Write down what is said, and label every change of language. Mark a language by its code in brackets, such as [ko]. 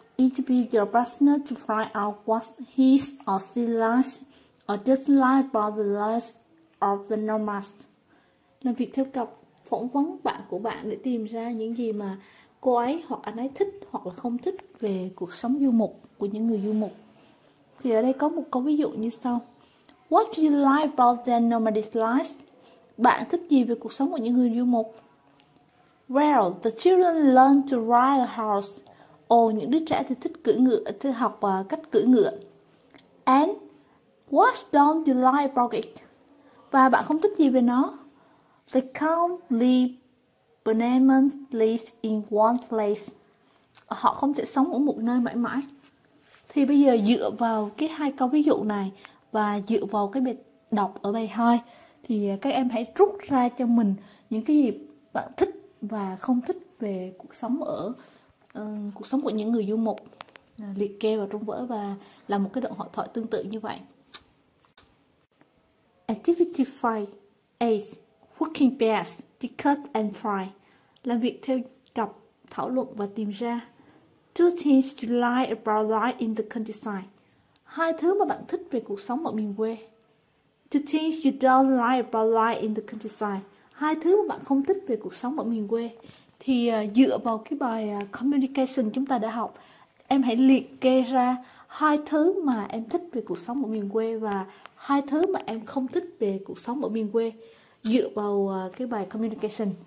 [en] It will be your partner to find out what his or she likes or doesn't like about the life of the nomads. [vi] Làm việc theo cặp, phỏng vấn bạn của bạn để tìm ra những gì mà cô ấy hoặc anh ấy thích hoặc là không thích về cuộc sống du mục của những người du mục. Thì ở đây có một câu ví dụ như sau. [en] What do you like about the nomadic life? [vi] Bạn thích gì về cuộc sống của những người du mục? [en] Well, the children learn to ride a horse. [vi] Oh, những đứa trẻ thì thích cưỡi ngựa, thích học cách cưỡi ngựa. [en] And what don't you like about it? [vi] Và bạn không thích gì về nó? [en] They can't live permanently in one place. [vi] Họ không thể sống ở một nơi mãi mãi. Thì bây giờ dựa vào cái hai câu ví dụ này và dựa vào cái bài đọc ở bài 2 thì các em hãy rút ra cho mình những cái gì bạn thích và không thích về cuộc sống ở cuộc sống của những người du mục liệt kê vào trong vở và làm một cái đoạn hội thoại tương tự như vậy. [en] Activity 5 is working best to cut and fry. [vi] Làm việc theo cặp, thảo luận và tìm ra. [en] Two things you like about life in the countryside. [vi] Hai thứ mà bạn thích về cuộc sống ở miền quê. [en] Two things you don't like about life in the countryside. [vi] Hai thứ mà bạn không thích về cuộc sống ở miền quê. Thì dựa vào cái bài communication chúng ta đã học, em hãy liệt kê ra hai thứ mà em thích về cuộc sống ở miền quê và hai thứ mà em không thích về cuộc sống ở miền quê dựa vào cái bài communication.